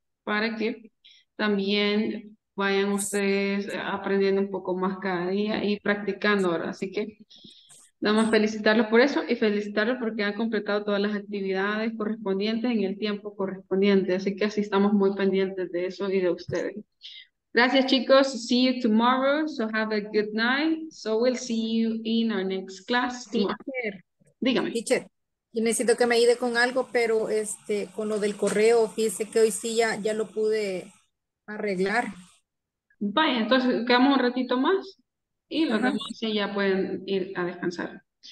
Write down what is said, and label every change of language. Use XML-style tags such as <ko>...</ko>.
<es>Para que también vayan ustedes aprendiendo un poco más cada día y practicando, ¿verdad? Así que nada más felicitarlos por eso y felicitarlos porque han completado todas las actividades correspondientes en el tiempo correspondiente. Así que así estamos muy pendientes de eso y de ustedes. Gracias, chicos.</es> <en>See you tomorrow. So have a good night. So we'll see you in our next class tomorrow. Teacher.</en> <es>Dígame. Teacher, yo necesito que me ayude con algo, pero con lo del correo, fíjese que hoy sí ya lo pude arreglar. Vaya, entonces quedamos un ratito más y los demás ya pueden ir a descansar.</es>